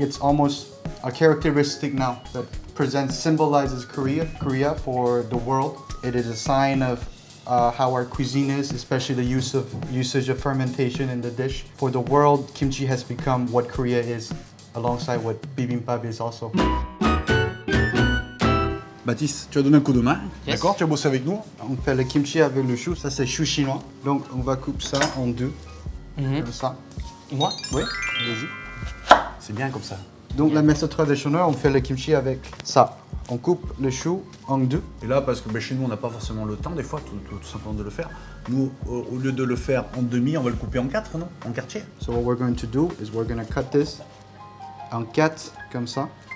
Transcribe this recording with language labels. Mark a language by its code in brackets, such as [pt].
[en] It's almost a characteristic now that symbolizes Korea for the world. It is a sign of how our cuisine is, especially the usage of fermentation in the dish. For the world, kimchi has become what Korea is, alongside what bibimbap is also. [fr] Baptiste, tu as donné un coup de main, [en] yes. [fr] D'accord, tu as bossé avec nous. On fait le kimchi avec le chou, ça c'est chou chinois. Donc on va couper ça en deux, comme ça. Moi? Oui, vas-y. C'est bien comme ça. Donc la méthode traditionnelle, on fait le kimchi avec ça. On coupe le chou en deux. Et là, parce que chez nous, on n'a pas forcément le temps des fois, tout simplement de le faire. Nous, au lieu de le faire en demi, on va le couper en quatre, non? En quartier. [en] So what we're going to do is we're going to cut this [fr] en quatre, comme ça.